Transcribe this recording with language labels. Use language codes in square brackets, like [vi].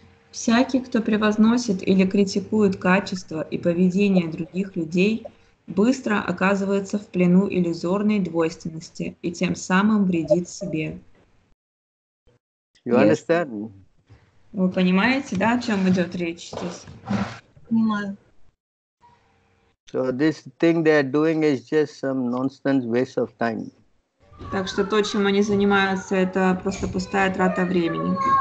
[ru] Всякий, кто превозносит или критикует качество и поведение других людей, быстро оказывается в плену иллюзорной двойственности и тем самым вредит себе. [en] You understand? [ru] Вы понимаете, да, о чем идет речь здесь? Понимаю. [en] So this thing they are doing is just some nonsense waste of time. [ru] Так что то, чем они занимаются, это просто пустая трата времени.